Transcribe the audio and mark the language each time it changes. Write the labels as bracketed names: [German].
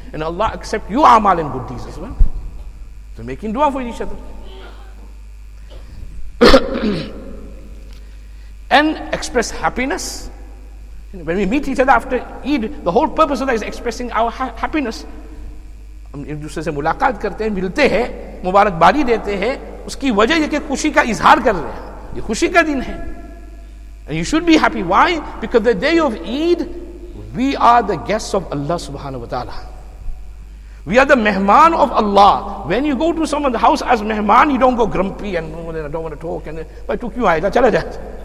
[English] And Allah, accept your amal and good deeds as well. So making dua for each other. And express happiness. When we meet each other after Eid, the whole purpose of that is expressing our happiness. [Urdu] ایک دوسرے سے ملاقات کرتے ہیں, ملتے ہیں, مبارکباری دیتے ہیں, اس کی وجہ یہ کہ خوشی کا اظہار کر رہے ہیں. یہ خوشی کا دن ہے. [English] And you should be happy. Why? Because the day of Eid, we are the guests of Allah subhanahu wa ta'ala. We are the mehman of Allah. When you go to someone's house as mehman, you don't go grumpy and oh, I don't want to talk. And why took you aida? Chala jat.